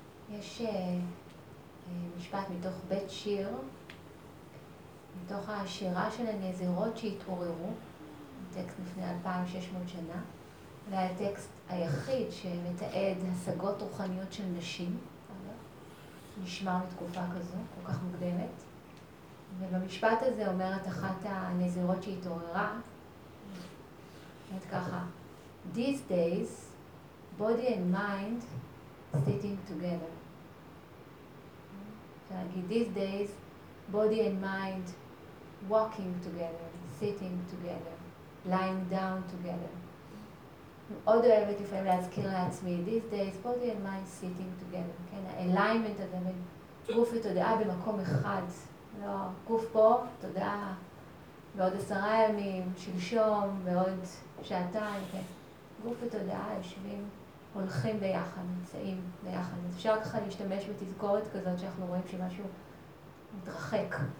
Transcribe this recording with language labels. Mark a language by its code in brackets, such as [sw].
[he] יש משפט מתוך בית שיר, מתוך השירה של הנזירות שהתעוררו, טקסט לפני 2600 שנה, והטקסט היחיד שמתעד השגות רוחניות של נשים, נשמר מתקופה כזו, כל כך מוקדמת. ובמשפט הזה אומרת אחת הנזירות שהתעוררה, אומרת ככה, [en] "These days, body and mind sitting together." [he] להגיד, [en] "These days, body and mind walking together, sitting together, lying down together." [he] עוד אוהבת לפעמים להזכיר לעצמי, [en] "These days, body and mind sitting together." [he] כן, ה-alignment הזה, גוף ותודעה במקום אחד. לא, גוף פה, תודעה, ועוד 10 ימים, שלשום, ועוד שעתיים, כן. גוף ותודעה יושבים, הולכים ביחד, נמצאים ביחד. אז אפשר ככה להשתמש בתזכורת כזאת שאנחנו רואים שמשהו מתרחק.